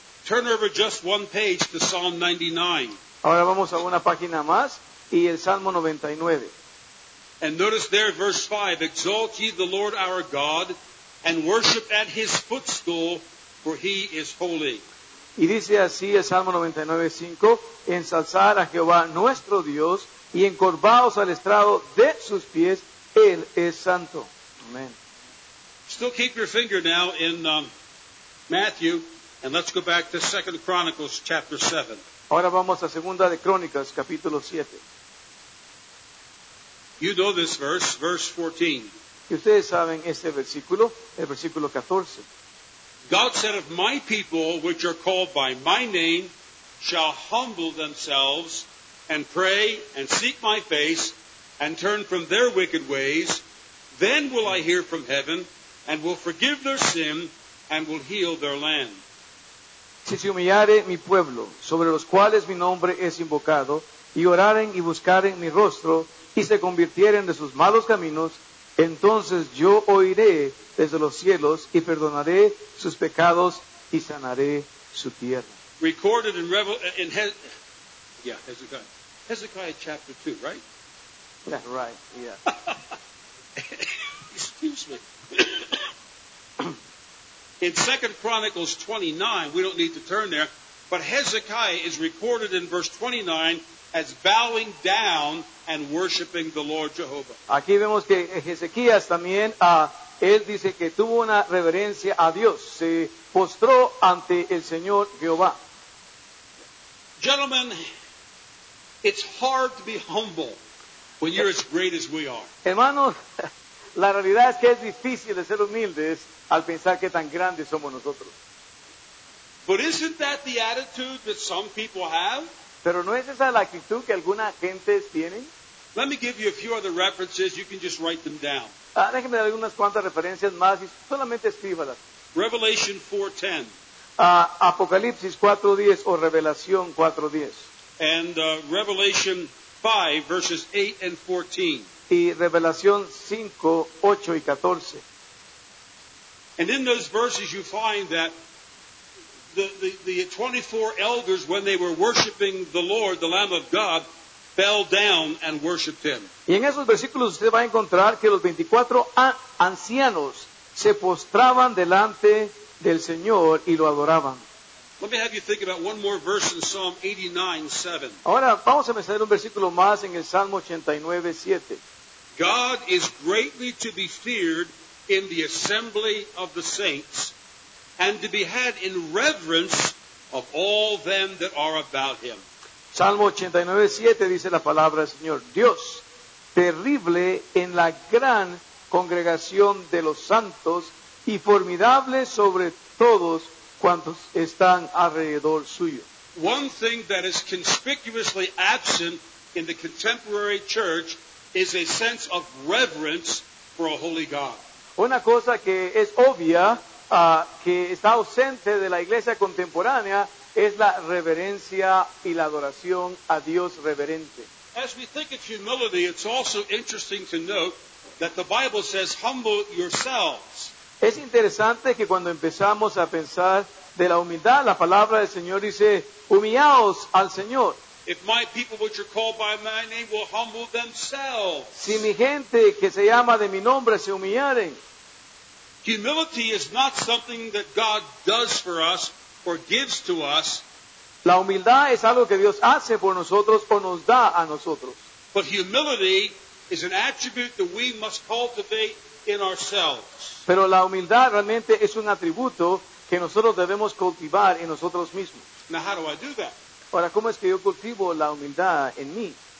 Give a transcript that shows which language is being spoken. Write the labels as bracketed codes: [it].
[en] Turn over just one page to Psalm 99. [es] Ahora vamos a una página más y el Salmo 99. [en] And notice there, verse 5, exalt ye the Lord our God and worship at his footstool, for he is holy. [es] Y dice así el Salmo 99:5, ensalzar a Jehová nuestro Dios y encorvaos al estrado de sus pies, él es santo. [en] Amen. Still keep your finger now in Matthew, and let's go back to 2 Chronicles chapter 7. [es] Ahora vamos a Segunda de Crónicas capítulo 7. [en] You know this verse, verse 14. [es] Y ustedes saben este versículo, el versículo 14. [en] God said, if my people, which are called by my name, shall humble themselves and pray and seek my face and turn from their wicked ways, then will I hear from heaven and will forgive their sin and will heal their land. [es] Si se humillare mi pueblo, sobre los cuales mi nombre es invocado, y oraren y buscaren mi rostro, y se convirtieren de sus malos caminos, entonces yo oiré desde los cielos y perdonaré sus pecados y sanaré su tierra. [en] Recorded in Hezekiah. Hezekiah chapter 2, right? Yeah, right, yeah. Excuse me. In 2 Chronicles 29, we don't need to turn there, but Hezekiah is recorded in verse 29 as bowing down and worshiping the Lord Jehovah. [es] Aquí vemos que Ezequías también, él dice que tuvo una reverencia a Dios. Se postró ante el Señor Jehová. [en] Gentlemen, it's hard to be humble when you're as great as we are. [es] Hermanos, la realidad es que es difícil de ser humildes al pensar que tan grandes somos nosotros. [en] But isn't that the attitude that some people have? [es] ¿Pero no es esa la actitud que alguna gente tiene? [en] Let me give you a few other references. You can just write them down. [es] Déjeme dar algunas cuantas referencias más y solamente escríbalas. [en] Revelation 4:10. [es] Apocalipsis 4:10 o Revelación 4:10. [en] And Revelation 5, verses 8 and 14. [es] Y Revelación 5, 8 y 14. [en] And in those verses you find that the 24 elders, when they were worshiping the Lord, the Lamb of God, fell down and worshiped him. [es] Y en esos versículos usted va a encontrar que los 24 ancianos se postraban delante del Señor y lo adoraban. [en] Let me have you think about one more verse in Psalm 89:7. [es] Ahora vamos a mencionar un versículo más en el Salmo 89:7. [en] God is greatly to be feared in the assembly of the saints, and to be had in reverence of all them that are about him. [es] Salmo 89:7 dice la palabra del Señor: Dios, terrible en la gran congregación de los santos y formidable sobre todos cuantos están alrededor suyo. [en] One thing that is conspicuously absent in the contemporary church is a sense of reverence for a holy God. [es] Una cosa que es obvia, que está ausente de la iglesia contemporánea, es la reverencia y la adoración a Dios reverente. [en] As we think of humility, it's also interesting to note that the Bible says, humble yourselves. [es] Es interesante que cuando empezamos a pensar de la humildad, la palabra del Señor dice, humillaos al Señor. [en] If my people which are called by my name will humble themselves. [es] Si mi gente que se llama de mi nombre se humillaren. [en] Humility is not something that God does for us or gives to us. [es] La humildad es algo que Dios hace por nosotros o nos da a nosotros. [en] But humility is an attribute that we must cultivate in ourselves. [es] Pero la humildad realmente es un atributo que nosotros debemos cultivar en nosotros mismos. [en] Now how do I do that? [es] Ahora, ¿cómo es que yo cultivo la humildad en mí?